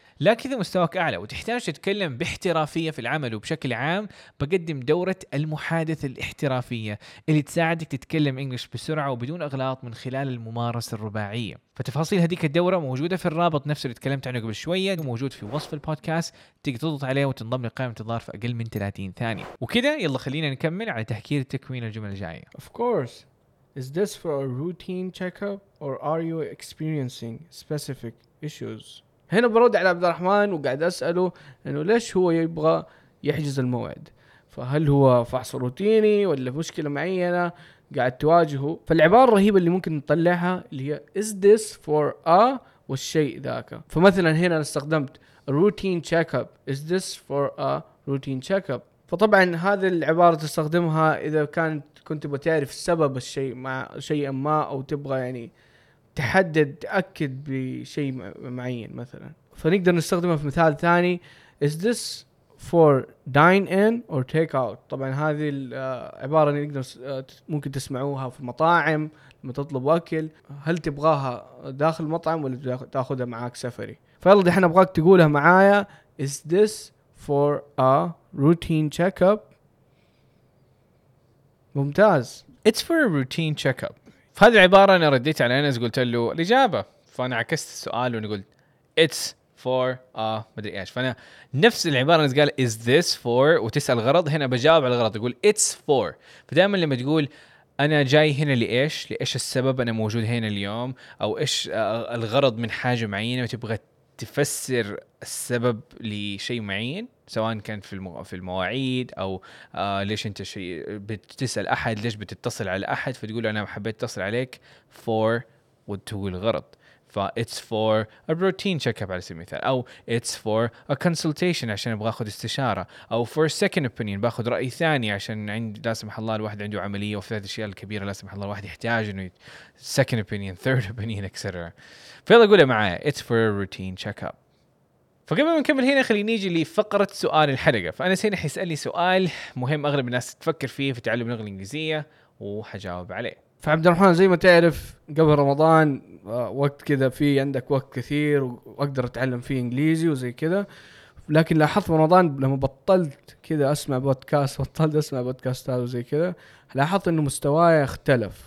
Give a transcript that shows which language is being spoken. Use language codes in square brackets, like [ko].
[ar] لكن إذا مستواك أعلى وتحتاج تتكلم باحترافية في العمل وبشكل عام بقدم دورة المحادثة الاحترافية اللي تساعدك تتكلم إنجليش بسرعة وبدون أغلاط من خلال الممارسة الرباعية. فتفاصيل هذيك الدورة موجودة في الرابط نفسه اللي تكلمت عنه قبل شوية وموجود في وصف البودكاست تقدر تضغط عليه وتنضم لقائمة الانتظار في أقل من 30 ثانية. وكده يلا خلينا نكمل على تهكير التكوين الجملة الجاية. [en] Of course, is this for a routine checkup or are you experiencing specific issues? [ar] هنا برد على عبد الرحمن وقاعد أسأله إنه ليش هو يبغى يحجز الموعد. فهل هو فحص روتيني ولا مشكلة معينة قاعد تواجهه؟ فالعبارة الرهيبة اللي ممكن نطلعها اللي هي [en] is this for a [ar] والشيء ذاك. فمثلا هنا أنا استخدمت [en] routine checkup, is this for a routine checkup. [ar] فطبعا هذه العبارة تستخدمها إذا كانت كنت بتعرف سبب الشيء مع شيء ما, أو تبغى يعني تحدد تأكد بشيء معين مثلا. فنقدر نستخدمها في مثال ثاني, [en] is this for dine in or take out. [ar] طبعا هذه العبارة نقدر ممكن تسمعوها في المطاعم لما تطلب أكل, هل تبغاها داخل المطعم ولا تأخذها معاك سفري. فيلا دحين أبغاك تقولها معايا, [en] is this for a routine checkup. [ar] ممتاز, [en] it's for a routine checkup. [ar] فهذه العبارة أنا رديت على أنس قلت له الإجابة, فأنا عكست السؤال وقلت [en] it's for a [ar] مدري إيش. فأنا نفس العبارة اللي قال [en] is this for [ar] وتسأل غرض, هنا بجاوب على الغرض يقول [en] it's for. [ar] فدائما لما تقول أنا جاي هنا لإيش, لإيش السبب أنا موجود هنا اليوم, أو إيش الغرض من حاجة معينة وتبغى تفسر السبب لشيء معين, سواء كان في المواعيد أو ليش أنت شيء بتسأل أحد, ليش بتتصل على أحد, فتقول أنا حبيت أتصل عليك for وتقول غرض. فا [en] it's for a routine checkup [ar] على سبيل المثال, أو [en] it's for a consultation [ar] عشان أبغى أخذ استشارة, أو [en] for a second opinion [ar] بأخذ رأي ثاني عشان عند لا سمح الله الواحد عنده عملية وفي هذه الأشياء الكبيرة لا سمح الله الواحد يحتاج إنه [en] second opinion third opinion etc. [ar] فيلا قولي معايا [en] it's for a routine checkup. [ar] فقبل ما نكمل هنا خلينا نيجي لفقرة سؤال الحلقة. فأنا سينا حيسألني سؤال مهم أغلب الناس تفكر فيه في تعلم اللغة الإنجليزية وحجاوب عليه. فعبد الرحمن زي ما تعرف قبل رمضان وقت كذا في عندك وقت كثير وأقدر أتعلم فيه إنجليزي وزي كذا, لكن لاحظت في رمضان لما بطلت كذا أسمع بودكاست بطلت أسمع بودكاستات وزي كذا لاحظت إنه مستواي اختلف.